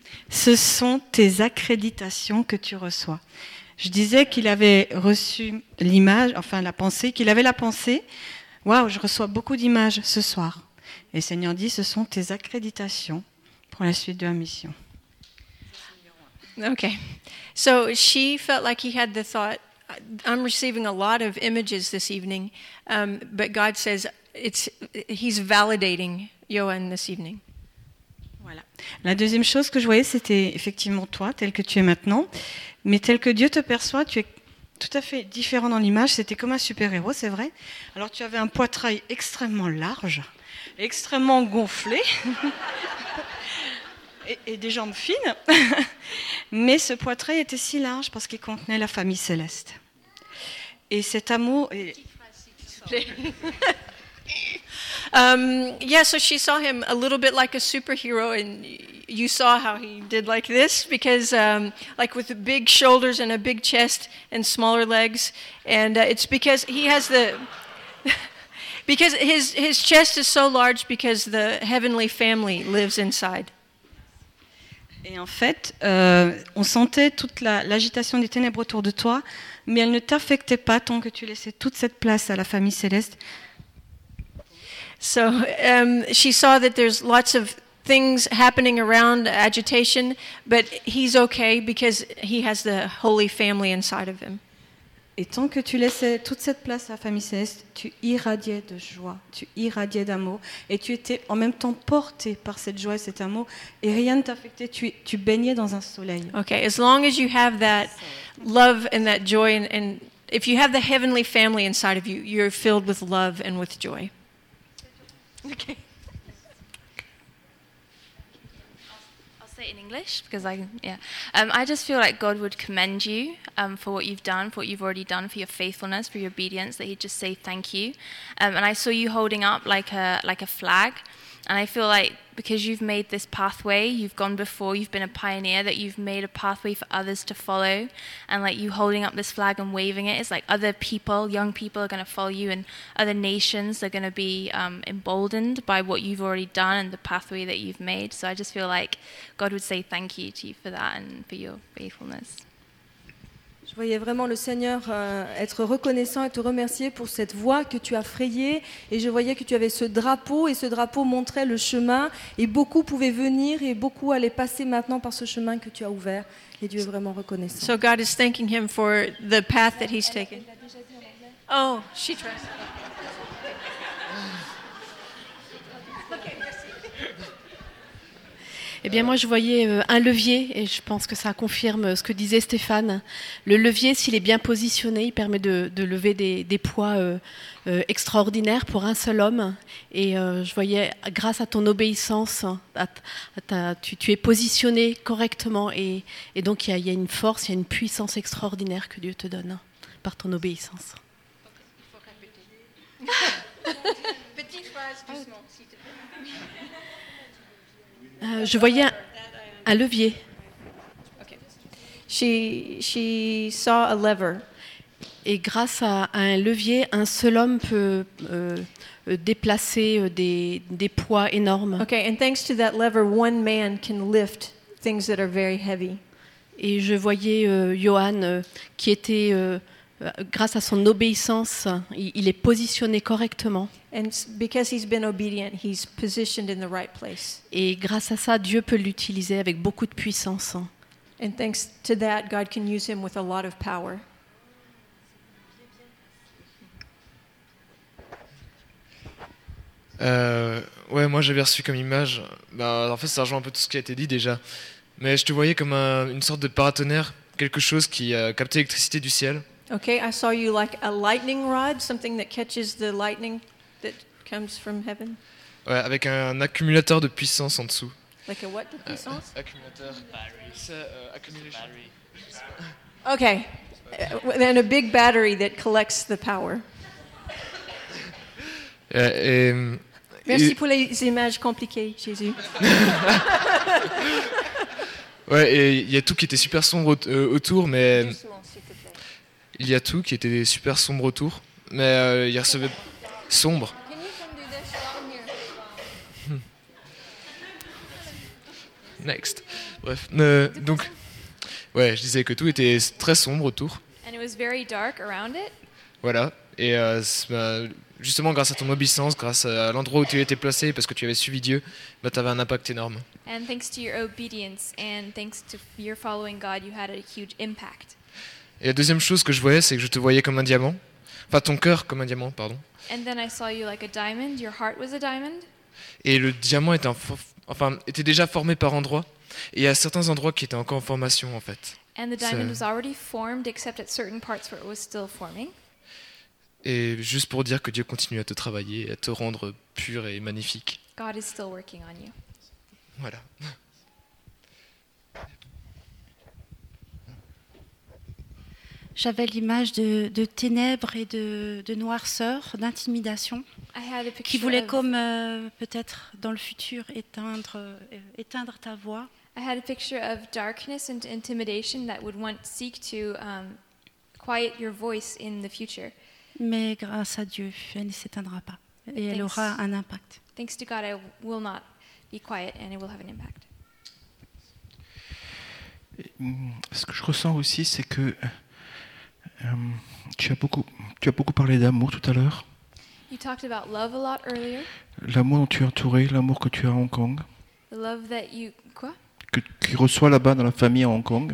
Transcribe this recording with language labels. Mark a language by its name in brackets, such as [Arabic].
[French] Ce sont tes accréditations que tu reçois. Je disais qu'il avait reçu l'image, enfin la pensée, qu'il avait la pensée. Waouh, je reçois beaucoup d'images ce soir. Et le Seigneur dit, ce sont tes accréditations pour la suite de la mission. [English] Okay. So she felt like he had the thought, I'm receiving a lot of images this evening, but God says he's validating Johan this evening. [French] Voilà. La deuxième chose que je voyais, c'était effectivement toi, tel que tu es maintenant. Mais tel que Dieu te perçoit, tu es tout à fait différent dans l'image. C'était comme un super-héros, c'est vrai. Alors tu avais un poitrail extrêmement large, extrêmement gonflé, et des jambes fines. Mais ce poitrail était si large parce qu'il contenait la famille céleste. Et cet amour... [English] Yeah, so she saw him a little bit like a superhero, and you saw how he did like this, because like with big shoulders and a big chest and smaller legs, and it's because he has the... Because his chest is so large because the heavenly family lives inside. [French] Et en fait, on sentait toute l'agitation des ténèbres autour de toi, mais elle ne t'affectait pas tant que tu laissais toute cette place à la famille céleste. [English] So she saw that there's lots of things happening around agitation, but he's okay because he has the holy family inside of him. [French] Et tant que tu laissais toute cette place à la famille céleste, tu irradiais de joie, tu irradiais d'amour, et tu étais en même temps porté par cette joie et cet amour, et rien ne t'affectait, tu baignais dans un soleil. [English] Okay, as long as you have that love and that joy, and if you have the heavenly family inside of you, you're filled with love and with joy. Okay. In English, because I just feel like God would commend you for what you've done, for what you've already done, for your faithfulness, for your obedience. That He'd just say thank you. And I saw you holding up like a flag, and I feel like because you've made this pathway, you've gone before, you've been a pioneer, that you've made a pathway for others to follow. And like you holding up this flag and waving it, it's like other people, young people, are going to follow you, and other nations are going to be emboldened by what you've already done and the pathway that you've made. So I just feel like God would say thank you to you for that and for your faithfulness. [French] Je voyais vraiment le Seigneur être reconnaissant et te remercier pour cette voie que tu as frayée. Et je voyais que tu avais ce drapeau, et ce drapeau montrait le chemin. Et beaucoup pouvaient venir, et beaucoup allaient passer maintenant par ce chemin que tu as ouvert. Et Dieu est vraiment reconnaissant. [English] So God is thanking him for the path that he's taken. Oh, she trusts. [French] Eh bien, moi, je voyais un levier, et je pense que ça confirme ce que disait Stéphane. Le levier, s'il est bien positionné, il permet de lever des poids extraordinaires pour un seul homme. Et je voyais, grâce à ton obéissance, tu es positionné correctement. Et donc, il y a une force, il y a une puissance extraordinaire que Dieu te donne par ton obéissance. Il faut répéter. Petite phrase, doucement, s'il te plaît. Je voyais un levier. [English] Okay. She saw a lever. [French] Et grâce à un levier, un seul homme peut déplacer des poids énormes. [English] Okay, and thanks to that lever, one man can lift things that are very heavy. [French] Et je voyais Johan qui était grâce à son obéissance, il est positionné correctement. [English] And because he's been obedient, he's positioned in the right place. [French] Et grâce à ça, Dieu peut l'utiliser avec beaucoup de puissance. [English] And thanks to that, God can use him with a lot of power. [French] Ouais, moi j'avais reçu comme image. Bah, en fait, ça rejoint un peu tout ce qui a été dit déjà. Mais je te voyais comme une sorte de paratonnerre, quelque chose qui captait l'électricité du ciel. [English] Okay, I saw you like a lightning rod, something that catches the lightning. That comes from heaven. [French] Ouais, avec un accumulateur de puissance en dessous. [English] Like a what [French] de puissance? Accumulateur. [English] Battery. Okay. And a big battery that collects the power. [French] Merci pour les images compliquées, Jésus. Ouais, et il y a tout qui était super sombre autour, mais il y a tout qui était super sombre autour, mais il recevait sombre. Next. Bref, donc, ouais, je disais que tout était très sombre autour. [English] And it was very dark around it. [French] Voilà, et justement grâce à ton obéissance, grâce à l'endroit où tu étais placé, parce que tu avais suivi Dieu, bah, tu avais un impact énorme. [English] And thanks to your obedience and thanks to your following God, you had a huge impact. [French] Et la deuxième chose que je voyais, c'est que je te voyais comme un diamant, enfin ton cœur comme un diamant, pardon. [English] And then I saw you like a diamond. Your heart was a diamond. [French] Et le diamant était était déjà formé par endroits, et à certains endroits qui étaient encore en formation, en fait. [English] And the diamond was already formed, except at certain parts where it was still forming. [French] Et juste pour dire que Dieu continue à te travailler, à te rendre pur et magnifique. [English] God is still working on you. [French] Voilà. Euh, J'avais l'image de ténèbres et de noirceur, d'intimidation, qui voulait comme peut-être dans le futur éteindre ta voix. [English] I had a picture of darkness and intimidation that would want seek to quiet your voice in the future. [French] Mais grâce à Dieu, elle ne s'éteindra pas et elle aura un impact. [English] Thanks to God, I will not be quiet and it will have an impact. [French] Ce que je ressens aussi, c'est que tu as beaucoup parlé d'amour tout à l'heure. [English] You talked about love a lot earlier. [French] L'amour dont tu es entouré, l'amour que tu as à Hong Kong. [English] The love that you, [French] quoi? Qui reçoit là-bas dans la famille à Hong Kong.